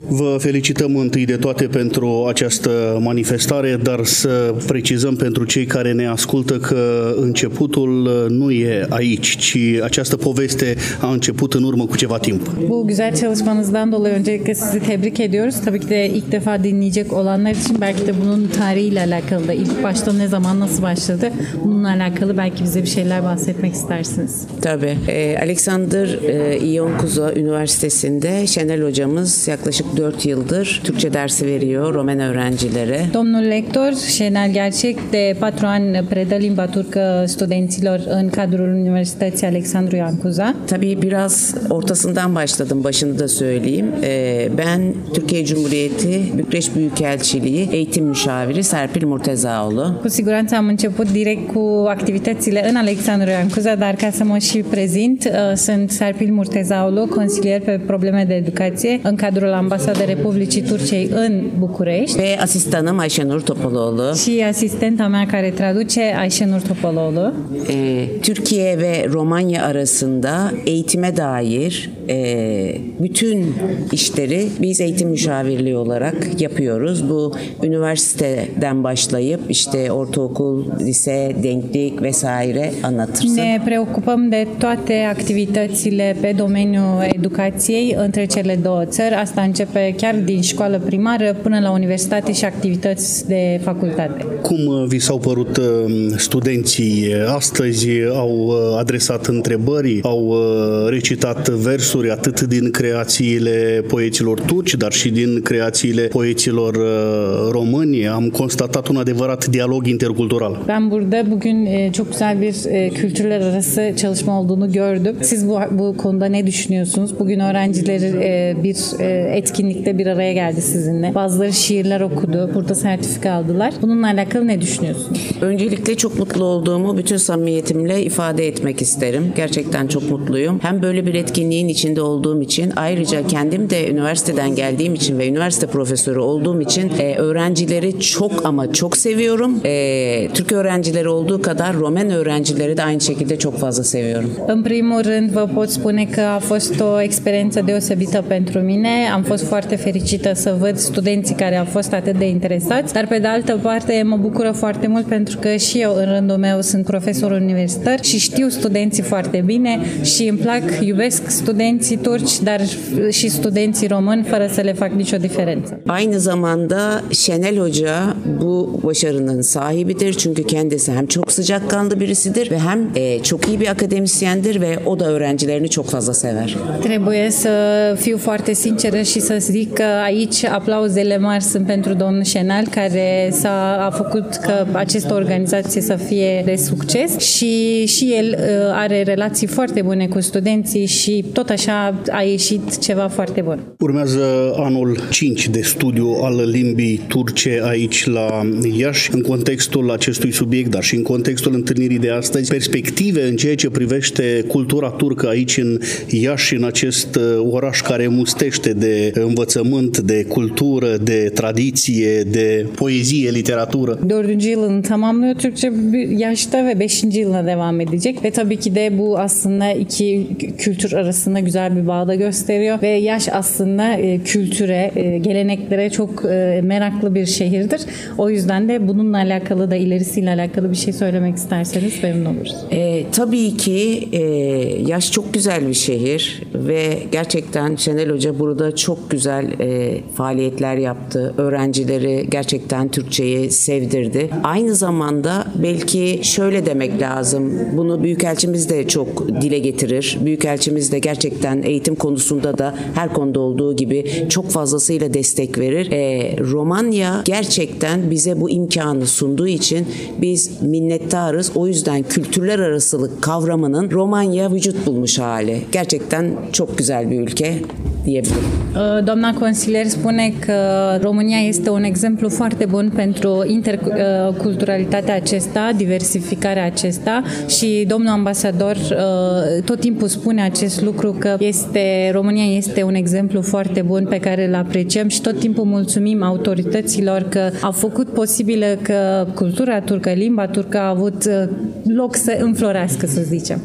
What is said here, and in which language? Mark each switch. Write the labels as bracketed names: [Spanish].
[Romanian] Vă felicităm întâi de toate pentru această manifestare, dar să precizăm pentru cei care ne ascultă că începutul nu e aici, ci această poveste a început în urmă cu ceva timp. [Turkish] Bu güzel çalışmanızdan dolayı öncelikle sizi tebrik ediyoruz. Tabii ki de ilk defa dinleyecek olanlar için belki de bunun tarihiyle alakalı da ilk başta ne zaman nasıl başladı bununla alakalı belki bize bir şeyler bahsetmek istersiniz. Tabii. Alexander İyon Kuzu Üniversitesi'nde Şenel hocamız yaklaşık 4 yıldır Türkçe dersi veriyor Romen öğrencilere. [Romanian] Domnul lector Şenel Gerçek de 4 ani predă limba turcă studenților în cadrul Universității Alexandru Ioan Cuza. [Turkish] Tabii biraz ortasından başladım, başını da söyleyeyim. Ben Türkiye Cumhuriyeti Bükreş Büyükelçiliği eğitim müşaviri Serpil Murtezaoğlu. [Romanian] Cu siguranță am început direct cu activitățile în Alexandru Ioan Cuza, dar ca să mă și prezint, sunt Serpil Murtezaoğlu, consilier pe probleme de educație în cadrul Ambasada Republicii Turciei în București. [Turkish] Pe asistanım Ayşenur Topaloğlu. [Romanian] Și asistenta mea care traduce Ayşenur Topaloğlu. [Turkish] Türkiye ve Romanya arasında eğitime dair bütün işleri biz eğitim müşavirliği olarak yapıyoruz. Bu üniversiteden başlayıp işte ortaokul, lise, denklik vesaire anlatırsın. [Romanian] Ne preocupăm de toate activitățile pe domeniul educației între cele două țări. Asta începe chiar din școală primară până la universitate și activități de facultate. Cum vi s-au părut studenții astăzi? Au adresat întrebări, au recitat versuri atât din creațiile poeților turci, dar și din creațiile poeților români. Am constatat un adevărat dialog intercultural. [Turkish] Ben burada bugün çok güzel bir kültürler arası çalışma olduğunu gördüm. Siz bu konuda ne düşünüyorsunuz? Bugün öğrenciler bir etkinlikte bir araya geldi sizinle. Bazıları şiirler okudu. Burada sertifika aldılar. Bununla alakalı ne düşünüyorsun? Öncelikle çok mutlu olduğumu bütün samimiyetimle ifade etmek isterim. Gerçekten çok mutluyum. Hem böyle bir etkinliğin içinde olduğum için, ayrıca kendim de üniversiteden geldiğim için ve üniversite profesörü olduğum için öğrencileri çok ama çok seviyorum. Türk öğrencileri olduğu kadar Romen öğrencileri de aynı şekilde çok fazla seviyorum. [Romanian] În primul rând vă pot spune că a fost o experiență deosebită pentru mine. Am fost foarte fericită să văd studenții care au fost atât de interesați, dar pe de altă parte mă bucură foarte mult pentru că și eu în rândul meu sunt profesor universitar și știu studenții foarte bine și îmi plac, iubesc studenții turci, dar și studenții români fără să le fac nicio diferență. [Turkish] Aynı zamanda Şenel Hoca bu başarının sahibidir çünkü kendisi hem çok sıcakkanlı birisidir ve hem çok iyi bir akademisyendir ve o da öğrencilerini çok fazla sever. [Romanian] Trebuie să fiu foarte sinceră și să zic că aici aplauzele mari sunt pentru domnul Şenel, care a făcut că această organizație să fie de succes și el are relații foarte bune cu studenții și tot așa a ieșit ceva foarte bun. Urmează anul 5 de studiu al limbii turce aici la Iași. În contextul acestui subiect, dar și în contextul întâlnirii de astăzi, perspective în ceea ce privește cultura turcă aici în Iași, în acest oraș care mustește de învățământ, de cultură, de tradiție, de poezie, literatură. [Turkish] 4. yılını tamamlıyor Türkçe Yaş'ta ve 5. yılına devam edecek ve tabii ki de bu aslında iki kültür arasında güzel bir bağda gösteriyor ve Yaş aslında kültüre, geleneklere çok meraklı bir şehirdir. O yüzden de bununla alakalı da ilerisiyle alakalı bir şey söylemek isterseniz memnun oluruz. Tabii ki Yaş çok güzel bir şehir ve gerçekten Şenel Hoca burada çok güzel faaliyetler yaptı. Öğrencileri gerçekten Türkçeyi sevdirdi. Aynı zamanda belki şöyle demek lazım. Bunu Büyükelçimiz de çok dile getirir. Büyükelçimiz de gerçekten eğitim konusunda da her konuda olduğu gibi çok fazlasıyla destek verir. Romanya gerçekten bize bu imkanı sunduğu için biz minnettarız. O yüzden kültürler arasılık kavramının Romanya vücut bulmuş hali. Gerçekten çok güzel bir ülke diyebilirim. [Romanian] Doamna consilier spune că România este un exemplu foarte bun pentru interculturalitatea acesta, diversificarea acesta și domnul ambasador tot timpul spune acest lucru că România este un exemplu foarte bun pe care îl apreciem și tot timpul mulțumim autorităților că a făcut posibilă că cultura turcă, limba turcă a avut loc să înflorească, să zicem.